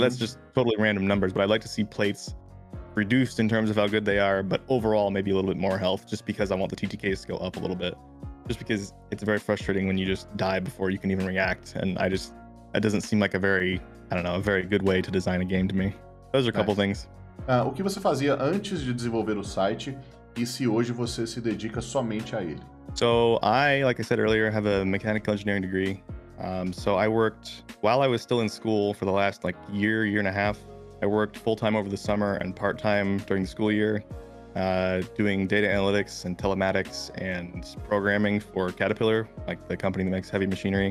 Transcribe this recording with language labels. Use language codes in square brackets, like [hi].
[en] that's just totally random numbers, but I'd like to see plates reduced in terms of how good they are, but overall maybe a little bit more health, just because I want the TTKs to go up a little bit, just because it's very frustrating when you just die before you can even react. And I just, that doesn't seem like a very, I don't know, a very good way to design a game to me. Those are a couple nice things. [pt] O que você fazia antes de desenvolver o site e se hoje você se dedica somente a ele. [en] So I, like I said earlier, have a mechanical engineering degree. So I worked, while I was still in school for the last like year, year and a half, I worked full-time over the summer and part-time during the school year, doing data analytics and telematics and programming for Caterpillar, like the company that makes heavy machinery.